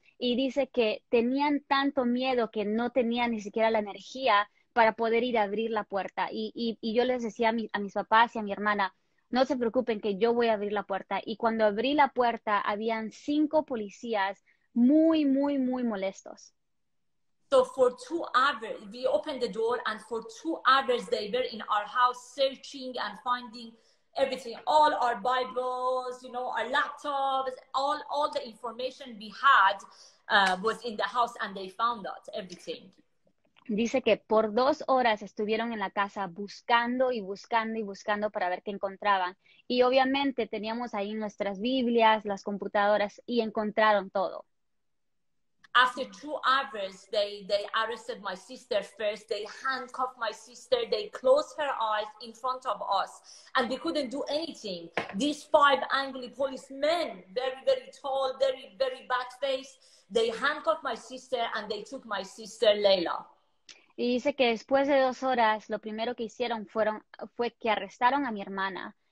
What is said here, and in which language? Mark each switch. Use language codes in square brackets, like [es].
[es] Y dice que tenían tanto miedo que no tenían ni siquiera la energía para poder ir a abrir la puerta. Y yo les decía a mis papás y a mi hermana, no se preocupen que yo voy a abrir la puerta. Y cuando abrí la puerta, habían 5 policías muy, muy, muy molestos. [en] So for 2 hours, we opened the door and for 2 hours they were in our house searching and finding everything. All our Bibles, you know, our laptops, all the information we had was in the house and they found out everything. [es] Dice que por 2 horas estuvieron en la casa buscando y buscando y buscando para ver qué encontraban. Y obviamente teníamos ahí nuestras Biblias, las computadoras y encontraron todo. [en] After 2 hours, they arrested my sister first. They handcuffed my sister. They closed her eyes in front of us. And they couldn't do anything. These 5 angry policemen, very, very tall, very, very bad face, they handcuffed my sister and they took my sister, Layla. [es] Y dice que después de 2 horas, lo primero que hicieron fue que arrestaron a mi hermana.